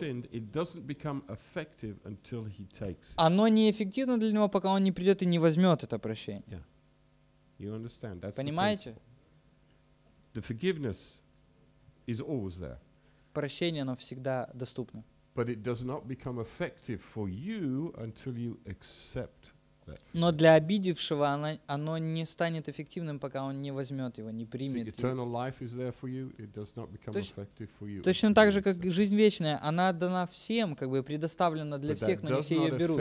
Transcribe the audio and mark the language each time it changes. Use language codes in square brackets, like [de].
[en] sinned, it doesn't become effective until he takes it. [ru] Оно неэффективно для него, пока он не придет и не возьмет это прощение. [en] Yeah. You understand? That's [ru] понимаете? [en] The principle. The forgiveness is always there. [ru] Прощение, оно всегда доступно. [en] But it does not become effective for you until you accept that. [ru] Но для обидевшего оно не станет эффективным, пока он не возьмет его, не примет. [en] Eternal life is there for you. It does not become effective for you. [ru] Точно так же, как жизнь вечная, она дана всем, как бы предоставлена для всех, но не все ее берут.